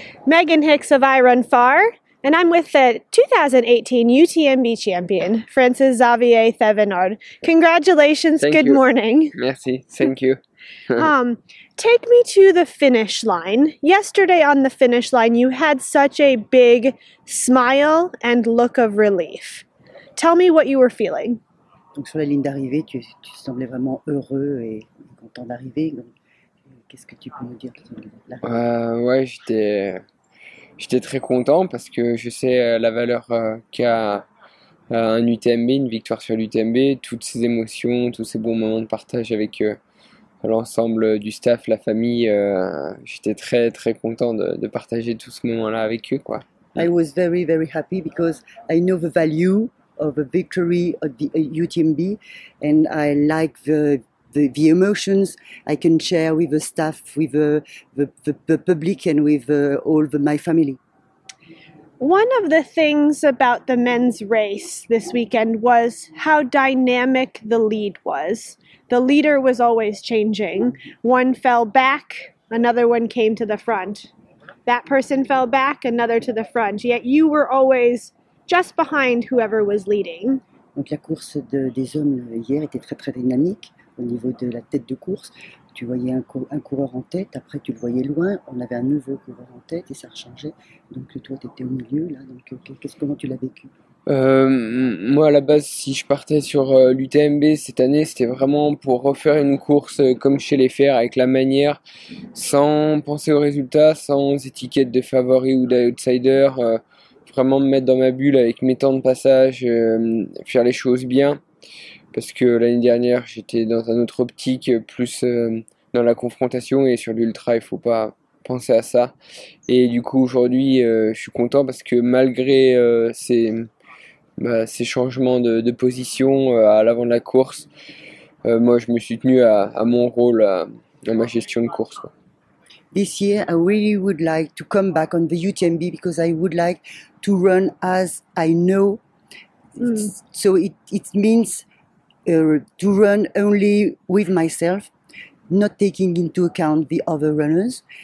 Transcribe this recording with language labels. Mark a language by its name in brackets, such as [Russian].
[English] Megan Hicks of I Run Far, and I'm with the 2018 UTMB champion, Francis Xavier Thévenard. Congratulations. Thank good you. Morning. [French] Merci. [English] Thank you. Take me to the finish line. Yesterday on the finish line, you had such a big smile and look of relief. Tell me what you were feeling. [French] Donc sur la ligne d'arrivée, tu semblais vraiment heureux et content d'arriver. Qu'est-ce que tu peux nous dire? Ouais, j'étais très content parce que je sais la valeur qu'a un UTMB, une victoire sur l'UTMB, toutes ces émotions, tous ces bons moments de partage avec l'ensemble du staff, la famille. J'étais très très content de partager tout ce moment-là avec eux, quoi. [English] I was very very happy because I know the value of a victory at the UTMB, and I like the emotions I can share with the staff, with the public, and with my family. One of the things about the men's race this weekend was how dynamic the lead was. The leader was always changing. One fell back, another one came to the front. That person fell back, another to the front. Yet you were always just behind whoever was leading. [French] Donc la course des hommes hier était très très dynamique. Au niveau de la tête de course, tu voyais un coureur en tête, après tu le voyais loin, on avait un nouveau coureur en tête et ça rechangeait. Donc toi, tu étais au milieu, là, donc comment tu l'as vécu? Moi, à la base, si je partais sur l'UTMB cette année, c'était vraiment pour refaire une course comme chez les fers, avec la manière, sans penser aux résultats, sans étiquette de favori ou d'outsider, vraiment me mettre dans ma bulle avec mes temps de passage, faire les choses bien. Parce que l'année dernière, j'étais dans un autre optique, plus dans la confrontation, et sur l'ultra, il ne faut pas penser à ça. Et du coup, aujourd'hui, je suis content parce que malgré ces changements de position à l'avant de la course, moi, je me suis tenu à mon rôle, à ma gestion de course. [English] This year, I really would like to come back on the UTMB because I would like to run as I know. So it means to run only with myself, not taking into account the other runners.